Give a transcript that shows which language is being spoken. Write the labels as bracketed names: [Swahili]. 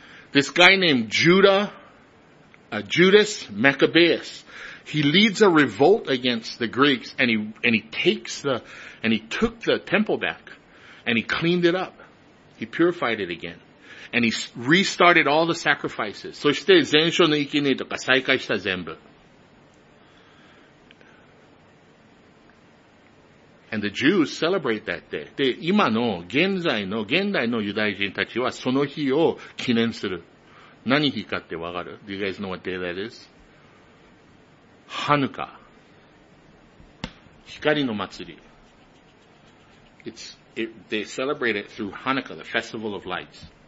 [English] This guy named Judas Maccabeus, he leads a revolt against the Greeks, and he took the temple back, and he cleaned it up. He purified it again. And he restarted all the sacrifices. [Japanese] そして、全焼の生贄とか再開した全部。 [English] And the Jews celebrate that day. [Japanese] で、今の、現代のユダヤ人たちはその日を記念する。何日かってわかる? [English] Do you guys know what day that is? [Japanese] ハヌカ。光の祭り。 [English] They celebrate it through Hanukkah, the festival of lights.